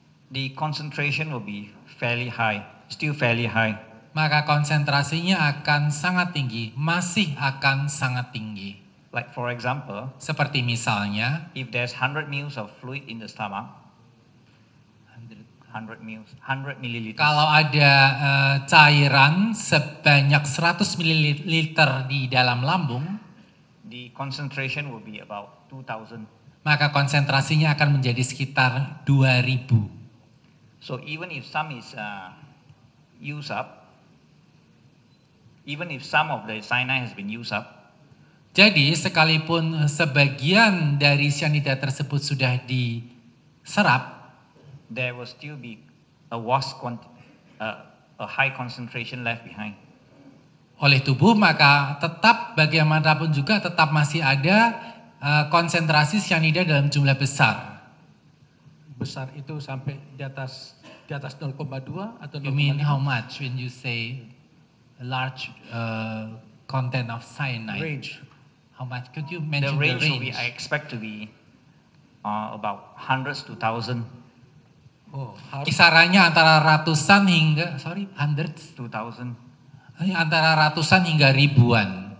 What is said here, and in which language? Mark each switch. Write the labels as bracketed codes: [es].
[en] the concentration will be fairly high, still fairly high. [id] Maka konsentrasinya akan sangat tinggi, masih akan sangat tinggi. [en] Like for example, [id] seperti misalnya, [en] if there's 100 mils of fluid in the stomach, 100 milliliters. [id] Kalau ada cairan sebanyak 100 mililiter di dalam lambung, [en] the concentration will be about 2000. [id] Maka konsentrasinya akan menjadi sekitar 2000. [en] So even if some is used up, even if some of the cyanide has been used up, [id] jadi sekalipun sebagian dari cyanida tersebut sudah diserap, [en] there will still be a vast a high concentration left behind. [id] Oleh tubuh, maka tetap bagaimanapun juga tetap masih ada konsentrasi cyanida dalam jumlah besar. Besar itu sampai di atas 0,2 atau 0,5? [en] You mean how much when you say large content of cyanide? Range. How much? Could you mention the range? The range will be, I expect to be about hundreds to thousand. [id] Kisarannya antara ratusan hingga antara ratusan hingga ribuan.